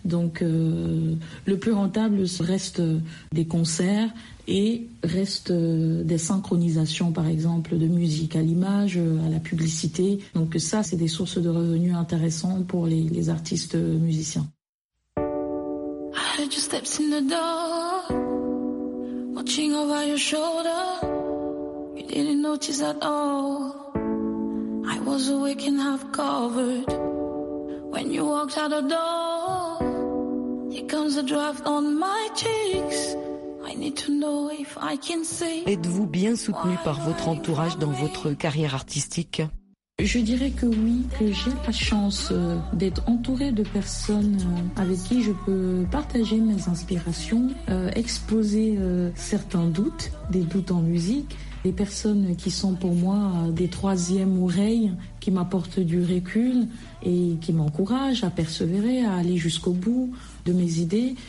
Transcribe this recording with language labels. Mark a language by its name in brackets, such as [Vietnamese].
[French] Donc le plus rentable reste des concerts et reste des synchronisations, par exemple, de musique à l'image, à la publicité. Donc ça, c'est des sources de revenus intéressantes pour les artistes musiciens. [English] Steps in the door, watching over your shoulder. You didn't notice at all. I was awake and half covered. When you walked out the door, here comes a draft on my cheeks. I need to know if I can see. [French] Êtes-vous bien soutenu par votre entourage dans votre carrière artistique? Je dirais que oui, que j'ai la chance d'être entourée de personnes avec qui je peux partager mes inspirations, exposer certains doutes, des doutes en musique, des personnes qui sont pour moi des troisièmes oreilles, qui m'apportent du recul et qui m'encouragent à persévérer, à aller jusqu'au bout de mes idées.